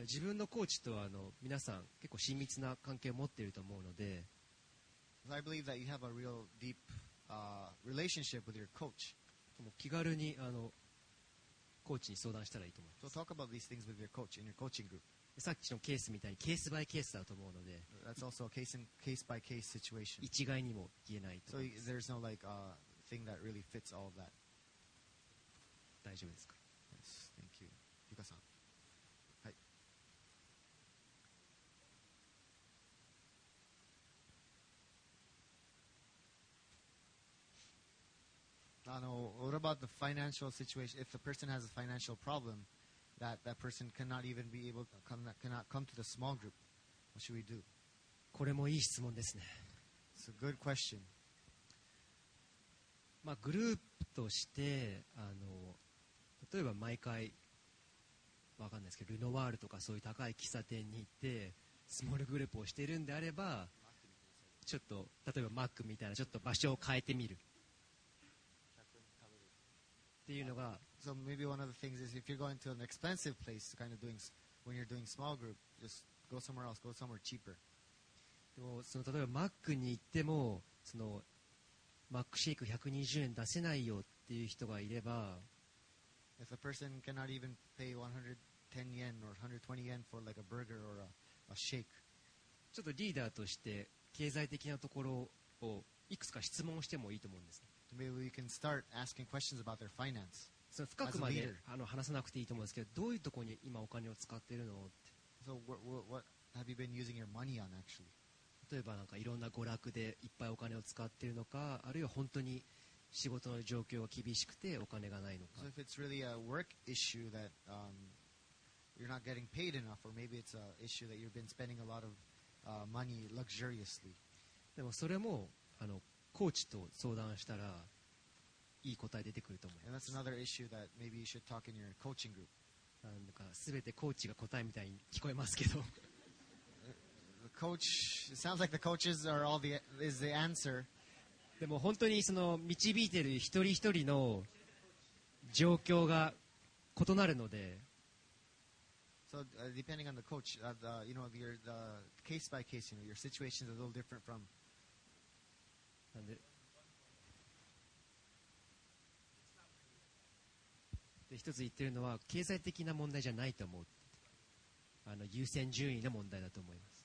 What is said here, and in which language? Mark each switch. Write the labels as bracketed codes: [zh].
[ja] 自分のコーチとは皆さん結構親密な関係を持っていると思うので [en] I believe that you have a real deep relationship with your coach [ja] 気軽にコーチに相談したらいいと思います [en] So talk about these things with your coach in your coaching group [ja] さっきのケースみたいにケースバイケースだと思うので [en] That's also a case by case situation. [ja] 一概にも言えないと思います [en] So there's no like thing that really fits all of that [ja] 大丈夫ですか [en] Yes, thank you [ja] ゆかさんはい [en] What about the financial situation? If the person has a financial problemThat person cannot even be able to cannot come to the small group. What should we do? [ja] これもいい質問ですね。 [en] It's a good question. [ja] まあグループとして例えば毎回わかんないですけどルノワールとかそういう高い喫茶店に行ってスモールグループをしているんであればちょっと例えばマックみたいなちょっと場所を変えてみるっていうのが。 [en] So maybe one of the things is if you're going to an expensive place, kind of doing when you're doing small group, just go somewhere else, go somewhere cheaper. [ja] でもその例えばマックに行ってもそのマックシェイク120円出せないよっていう人がいれば、 [en] if a person cannot even pay 110 yen or 120 yen for like a burger or a shake, [ja] ちょっとリーダーとして経済的なところをいくつか質問してもいいと思うんです。 [en] Maybe we can start asking questions about their finance. [ja] その深くまで話さなくていいと思うんですけど、どういうところに今お金を使っているのって。 [en] So what have you been using your money on actually? [ja] 例えばなんかいろんな娯楽でいっぱいお金を使っているのか、あるいは本当に仕事の状況が厳しくてお金がないのか。 [en] So if it's really a work issue that you're not getting paid enough, or maybe it's an issue that you've been spending a lot of money luxuriously. [ja] でもそれもコーチと相談したら。いい答え出てくると思います。 [en] And that's another issue that maybe you should talk in your coaching group. [ja] なんか全てコーチが答えみたいに聞こえますけど。 [en] The coach, it sounds like the coaches are all the, is the answer. [ja] でも本当にその導いてる一人一人の状況が異なるので。 [en] So depending on the coach, you know, your the case by case, you know, your situation is a little different from... [ja] なんで一つ言ってるのは経済的な問題じゃないと思う優先順位の問題だと思いま